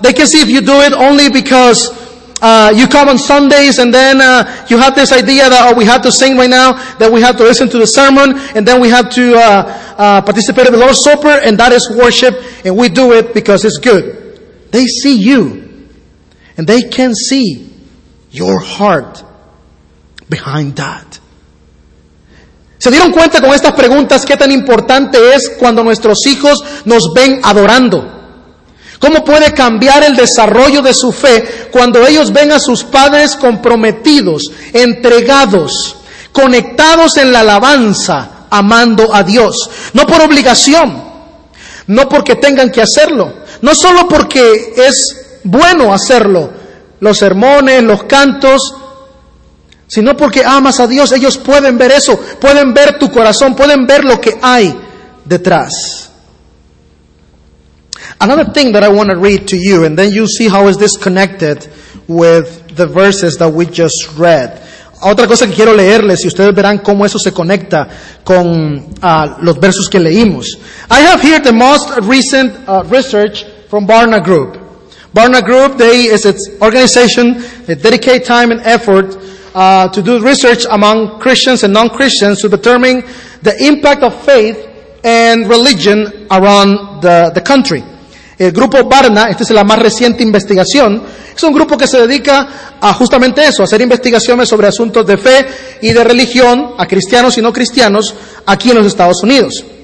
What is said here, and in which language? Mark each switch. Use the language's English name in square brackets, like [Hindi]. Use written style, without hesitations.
[English] They can see if you do it only because you come on Sundays, and then you have this idea that, oh, we have to sing right now, that we have to listen to the sermon, and then we have to participate in the Lord's Supper, and that is worship, and we do it because it's good. They see you, and they can see your heart behind that. [Spanish] ¿Se dieron cuenta con estas preguntas qué tan importante es cuando nuestros hijos nos ven adorando? ¿Cómo puede cambiar el desarrollo de su fe cuando ellos ven a sus padres comprometidos, entregados, conectados en la alabanza, amando a Dios? No por obligación, no porque tengan que hacerlo, no solo porque es bueno hacerlo, los sermones, los cantos, sino porque amas a Dios. Ellos pueden ver eso, pueden ver tu corazón, pueden ver lo que hay detrás. [English] Another thing that I want to read to you, and then you see how is this connected with the verses that we just read. [Spanish] Otra cosa que quiero leerles, y ustedes verán cómo eso se conecta con los versos que leímos. [English] I have here the most recent research from Barna Group. Barna Group, they is its organization that dedicate time and effort to do research among Christians and non-Christians to determine the impact of faith and religion around the country. [Spanish] El grupo Barna, esta es la más reciente investigación, es un grupo que se dedica a justamente eso, a hacer investigaciones sobre asuntos de fe y de religión a cristianos y no cristianos aquí en los Estados Unidos.